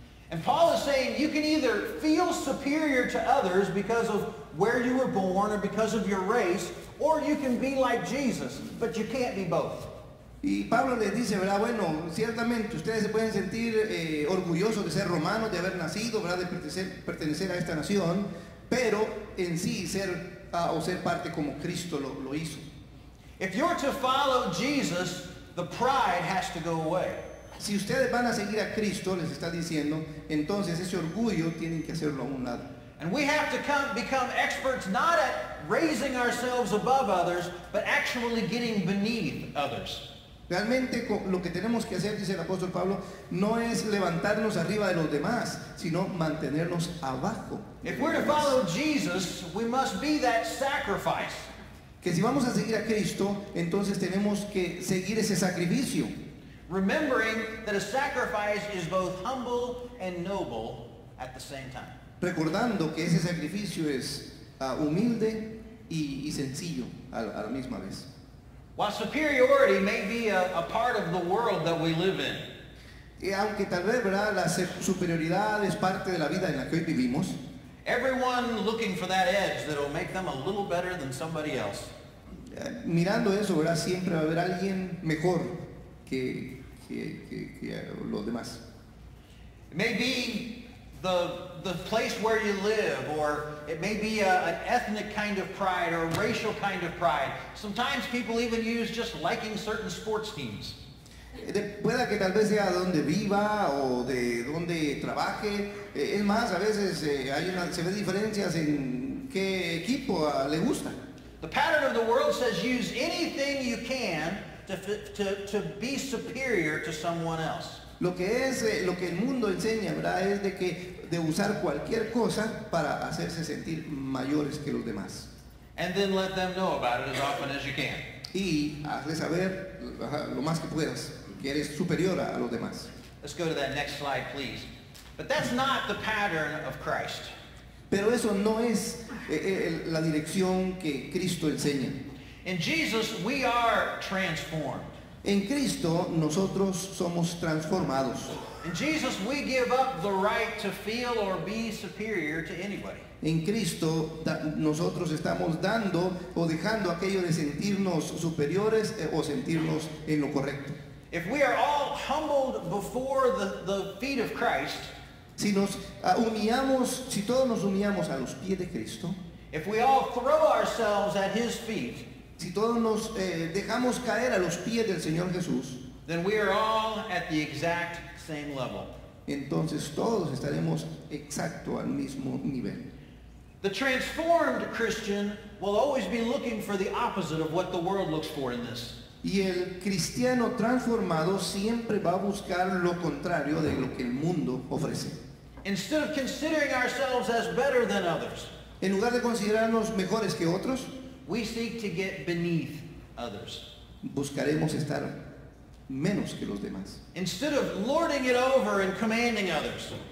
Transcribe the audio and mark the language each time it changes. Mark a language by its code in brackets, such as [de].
[en] And Paul is saying you can either feel superior to others because of where you were born or because of your race, or you can be like Jesus, but you can't be both. [es] Y Pablo les dice, ¿verdad?, bueno, ciertamente ustedes se pueden sentir orgullosos de ser romanos, de haber nacido, ¿verdad?, de pertenecer a esta nación, pero en sí ser parte como Cristo lo hizo. [en] If you're to follow Jesus, the pride has to go away. [es] Si ustedes van a seguir a Cristo, les está diciendo, entonces ese orgullo tienen que hacerlo a un lado. [en] And we have to become experts not at raising ourselves above others, but actually getting beneath others. [es] Realmente lo que tenemos que hacer, dice el apóstol Pablo, no es levantarnos arriba de los demás, sino mantenernos abajo. [en] If we're to follow Jesus, we must be that sacrifice. [es] Que si vamos a seguir a Cristo, entonces tenemos que seguir ese sacrificio. [en] Remembering that a sacrifice is both humble and noble at the same time. [es] Recordando que ese sacrificio es humilde y sencillo a la misma vez. [en] While superiority may be a part of the world that we live in. [es] Y aunque tal vez, ¿verdad?, la superioridad es parte de la vida en la que hoy vivimos. [en] Everyone looking for that edge that will make them a little better than somebody else. [es] Mirando eso, ¿verdad?, siempre va a haber alguien mejor que los demás. [en] It may be the place where you live, or it may be an ethnic kind of pride or a racial kind of pride. Sometimes people even use just liking certain sports teams. [es] Pueda que tal vez sea donde viva o de donde trabaje. Es más, a veces se ve diferencias en qué equipo le gusta. [en] The pattern of the world says use anything you can to be superior to someone else. [es] Lo que el mundo enseña, ¿verdad?, es de usar cualquier cosa para hacerse sentir mayores que los demás. [en] And then let them know about it as often as you can. [es] Y hazle saber lo más que puedas que eres superior a los demás. [en] Let's go to that next slide, please. But that's not the pattern of Christ. [es] Pero eso no es la dirección que Cristo enseña. [en] In Jesus, we are transformed. [es] En Cristo, nosotros somos transformados. [en] In Jesus, we give up the right to feel or be superior to anybody. [es] En Cristo, nosotros estamos dando o dejando aquello de sentirnos superiores o sentirnos en lo correcto. [en] If we are all humbled before the feet of Christ, [es] si nos humillamos, si todos nos humillamos a los pies de Cristo, [en] if we all throw ourselves at his feet, [es] si todos nos dejamos caer a los pies del Señor Jesús, [en] then we are all at the exact same level. [es] Entonces todos estaremos exacto al mismo nivel. [en] The transformed Christian will always be looking for the opposite of what the world looks for in this. [es] Y el cristiano transformado siempre va a buscar lo contrario de lo que el mundo ofrece. [en] Instead of considering ourselves as better than others, [es] en lugar de considerarnos mejores que otros, [en] we seek to get beneath others. [es] Buscaremos estar menos que los demás. [en] Instead of lording it over and commanding others,